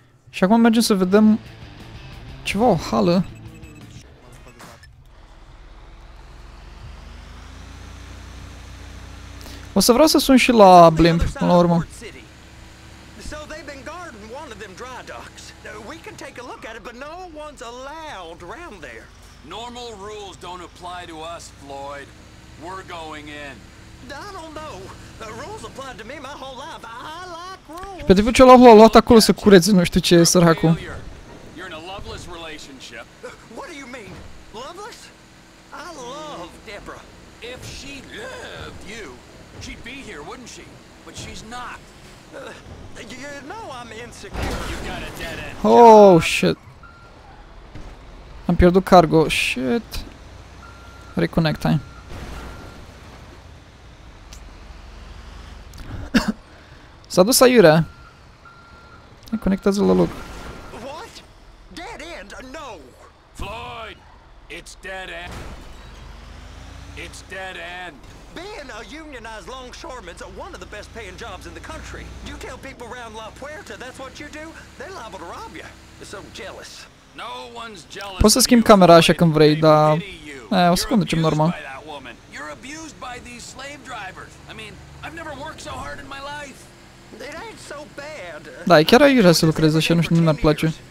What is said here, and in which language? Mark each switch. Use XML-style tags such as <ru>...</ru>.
<ro>Și acum mergem să vedem ceva, o hală. O să vreau să sun și la Blimp, până la urmă.</ro> <en>So they've been guarding one of them dry docks. We can take a look at it, but no one's allowed around there. Normal rules don't apply to us, Floyd. We're going in. I don't know. The rules apply to me my whole life. I like rules.</en> <ro>Pe tipul celălalt l-a luat acolo să cureți, nu știu ce, săracul.</ro> <en>You're in a loveless relationship. What do you mean? Loveless? I love Deborah. If she loved you, she'd be here, wouldn't she? But she's not. You know I'm insecure. You got a dead end. Oh, shit.</en> <ro>Am pierdut cargo.</ro> <en>Shit. Reconnect time.</en> <ro>S-a dus aiurea. Ne conectează la loc.</ro> <en>What? Dead end? No. Floyd, it's dead end. It's dead end. Being a unionized longshoreman's one of the best paying jobs in the country. You tell people around La Puerta that's what you do, they're liable to rob you. So jealous. No one's jealous.</en> <ro>Poți să schimbi camera așa când vrei, dar... E, o secundă, ce-mi normal.</ro> <en>You're abused by these slave drivers. I mean, I've never worked so hard in my life. It ain't so bad.</en> <ro>Da, e chiar aiurea să lucrezi așa, nu știu, nu mi-ar place.</ro>